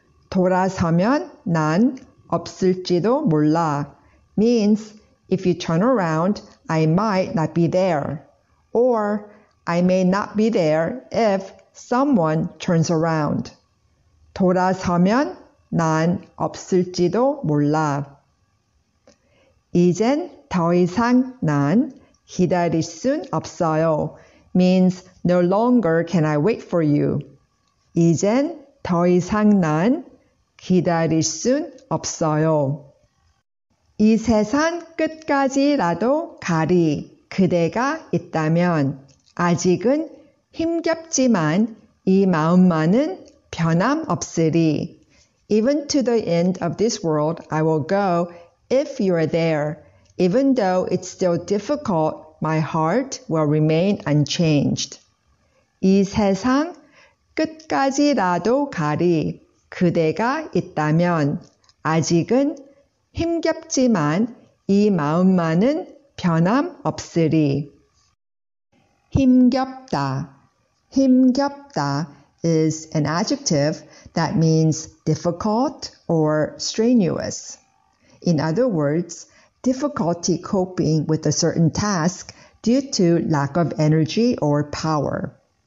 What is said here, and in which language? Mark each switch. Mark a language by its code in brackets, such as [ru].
[ko] 돌아서면 난 없을지도 몰라. [en] Means, if you turn around, I might not be there. Or, I may not be there if someone turns around. [ko] 돌아서면 난 없을지도 몰라. 이젠 더 이상 난 기다릴 순 없어요. [en] Means, no longer can I wait for you. [ko] 이젠 더 이상 난 기다릴 순 없어요. 이 세상 끝까지라도 가리 그대가 있다면 아직은 힘겹지만 이 마음만은 변함없으리. [en] Even to the end of this world, I will go if you are there. Even though it's still difficult, my heart will remain unchanged. [ko] 이 세상 끝까지라도 가리 그대가 있다면 아직은 힘겹지만 이 마음만은 변함없으리. 힘겹다. 힘겹다 [en] is an adjective that means difficult or strenuous. In other words, difficulty coping with a certain task due to lack of energy or power.